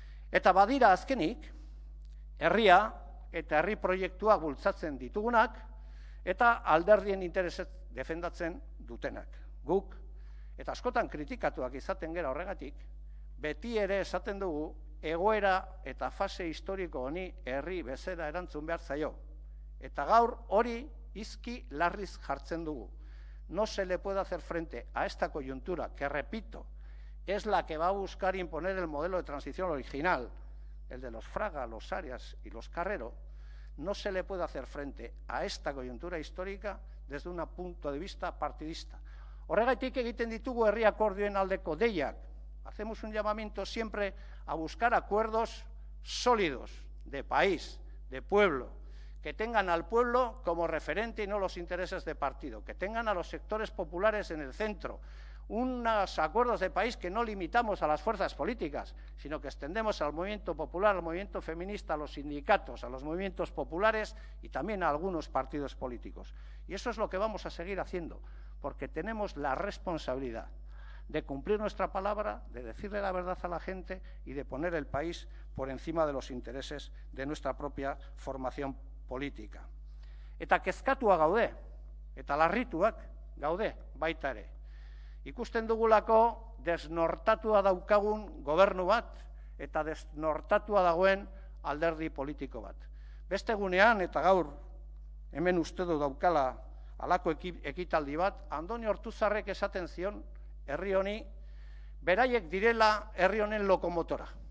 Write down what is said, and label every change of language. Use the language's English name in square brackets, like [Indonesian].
[Basque] Eta badira azkenik, herria eta herri proiektua bultzatzen ditugunak, eta alderdien interesez defendatzen dutenak. Guk, eta askotan kritikatuak izaten gera horregatik, beti ere esaten dugu egoera eta fase historiko honi herri bezala erantzun behar zaio. Eta gaur hori izki larriz jartzen dugu. [Spanish] No se le puede hacer frente a esta coyuntura, que repito, es la que va a buscar imponer el modelo de transición original, el de los Fraga, los Arias y los Carrero, no se le puede hacer frente a esta coyuntura histórica desde un punto de vista partidista. [Basque] Horregaitik egiten ditugu herri akordioen aldeko deiak. [Spanish] Hacemos un llamamiento siempre a buscar acuerdos sólidos, de país, de pueblo, que tengan al pueblo como referente y no los intereses de partido, que tengan a los sectores populares en el centro, unos acuerdos de país que no limitamos a las fuerzas políticas, sino que extendemos al movimiento popular, al movimiento feminista, a los sindicatos, a los movimientos populares y también a algunos partidos políticos. Y eso es lo que vamos a seguir haciendo, porque tenemos la responsabilidad de cumplir nuestra palabra, de decirle la verdad a la gente y de poner el país por encima de los intereses de nuestra propia formación política. [Basque] Eta kezkatua gaude, eta larrituak gaude baita ere. Ikusten dugulako desnortatua daukagun gobernu bat eta desnortatua dagoen alderdi politiko bat. Beste egunean eta gaur hemen uste du daukala halako ekitaldi bat, Andoni Ortuzarrek esaten zion herri honi, beraiek direla herri honen lokomotora.